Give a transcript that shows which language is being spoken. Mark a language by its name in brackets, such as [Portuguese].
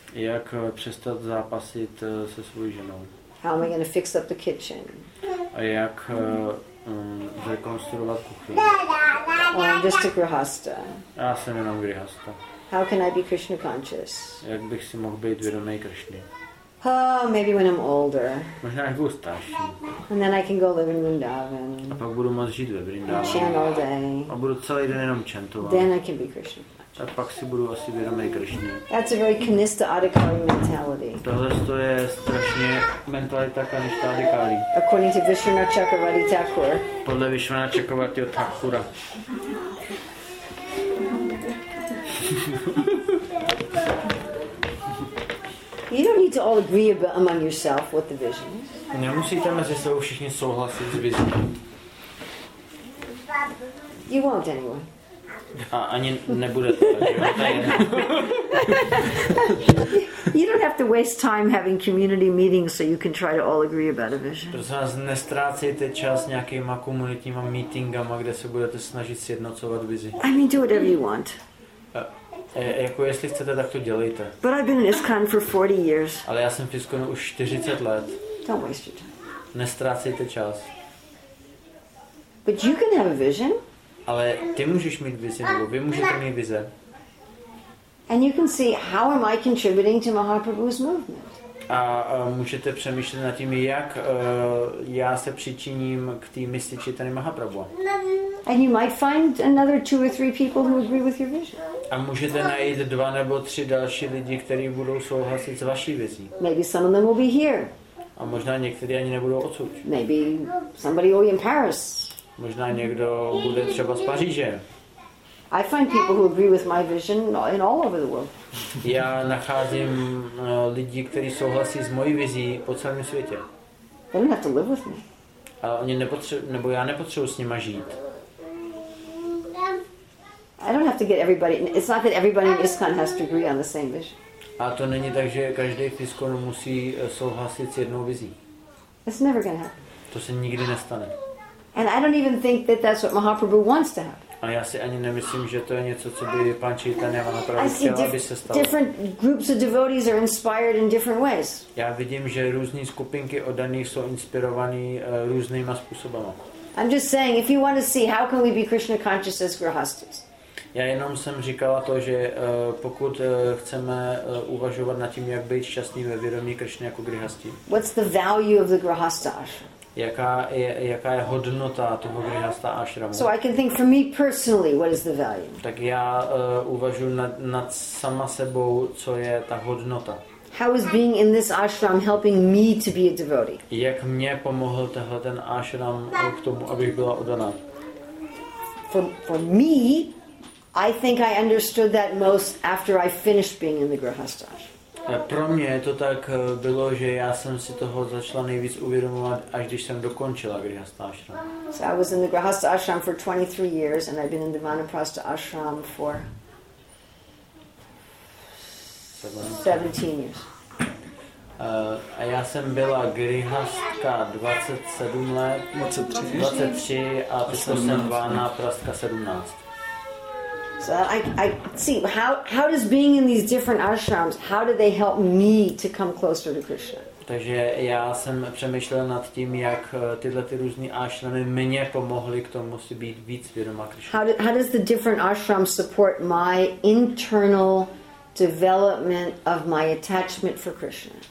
[Czech] Jak přestat zápasit se svou ženou? [English] How am I going to fix up the kitchen? [Czech] A jak zrekonstruovat kuchyni? [English] Oh, I'm just a grihasta. [Czech] Já jsem jenom grihasta. [English] How can I be Krishna conscious? [Czech] Jak bych si mohl být vědomý Krishny? [English] Oh, maybe when I'm older. [Czech] Možná jak budu starší. [English] And then I can go live in Vrindavan. [Czech] A pak budu moct žít ve Vrindavanu. [English] And chant all day. [Czech] A budu celý den jenom chantovat. [English] Then I can be Krishna. [Czech] Tak pak si budu asi vědomý Krishna. [English] That's a very Kanista Adhikari mentality. [Czech] Tohle to je strašně mentalita Kanista Adhikari. [English] According to Vishwanath Chakravarti Thakur. [Czech] Podle Vishwanath Chakravarti Thakura. [English] You don't need to all agree about among yourself what the vision is. [Czech] Nemusíte mezi sebou všichni souhlasit s vizí. [English] You won't anyway. [Czech] A ani nebude to. [English] You don't have to waste time having community meetings so you can try to all agree about a vision. [Czech] Prosím vás, nestrácejte čas nějakýma komunitníma meetingama, kde se budete snažit sjednocovat vizi. [English] I mean, do whatever you want. [Czech] Jako jestli chcete, tak to dělejte. [English] But I've been in ISKCON for 40 years. [Czech] Ale já jsem v ISKCONu už 40 let. [English] Don't waste your time. [Czech] Nestrácejte čas. [English] But you can have a vision. [Czech] Ale ty můžeš mít vizi, nebo vy můžete mít vize. [English] And you can see how am I contributing to Mahaprabhu's movement. [Czech] A můžete přemýšlet nad tím, jak já se přičiním k té misi Čaitanje Mahaprabhu. [English] And you might find another two or three people who agree with your vision. [Czech] A můžete najít dva nebo tři další lidi, kteří budou souhlasit s vaší vizí. [English] Maybe some of them will be here. [Czech] A možná někteří ani nebudou odsud. [English] Maybe somebody will be in Paris. [Czech] Možná někdo bude třeba z Paříže. [English] I find people who agree with my vision in all over the world. [Czech] Já nacházím lidi, kteří souhlasí s mojí vizí po celém světě. [English] They don't have to live with me. [Czech] A oni nebo já nepotřebuji s nima žít. [English] I don't have to get everybody. It's not that everybody in ISKCON has to agree on the same vision. [Czech] A to není tak, že každý v ISKCONu musí souhlasit s jednou vizí. [English] It's never going to happen. [Czech] To se nikdy nestane. [English] And I don't even think that that's what Mahaprabhu wants to have. [Czech] A já si ani nemyslím, že to je něco, co by pan Chaitanya Mahaprabhu chtěl, aby se stalo. [English] Different groups of devotees are inspired in different ways. [Czech] Já vidím, že různé skupinky oddaných jsou inspirovaní různýma způsoby. [English] I'm just saying, if you want to see how can we be Krishna conscious as grihasthas. [Czech] Já jenom jsem říkala to, že pokud chceme uvažovat nad tím, jak být šťastný ve vědomí Krishna jako grihasthi. [English] What's the value of the grihastha ashram? [Czech] Jaká je hodnota toho grihastha ashramu? [English] So I can think for me personally, what is the value? [Czech] Tak já uvažu nad sama sebou, co je ta hodnota. [English] How is being in this ashram helping me to be a devotee? [Czech] Jak mě pomohl tenhle ten ashram k tomu, abych byla oddaná? [English] For me, I think I understood that most after I finished being in the grihastha ashram. [Czech] Pro mě to tak bylo, že já jsem si toho začala nejvíc uvědomovat, až když jsem dokončila grihastha ashram. [English] So I was in the grihastha ashram for 23 years and I've been in the vanaprastha ashram for 17 years. [Czech] A já jsem byla grihastka 27 let, 23 a potom jsem vanaprastka 17. [English] So I see how does being in these different ashrams, how do they help me to come closer to Krishna? [Czech] Takže já jsem přemýšlel nad tím, jak tyhle ty různé ashramy mě pomohly k tomu si být víc vědomá Krishna. [English] How does the different ashram support my internal development of my attachment for Krishna?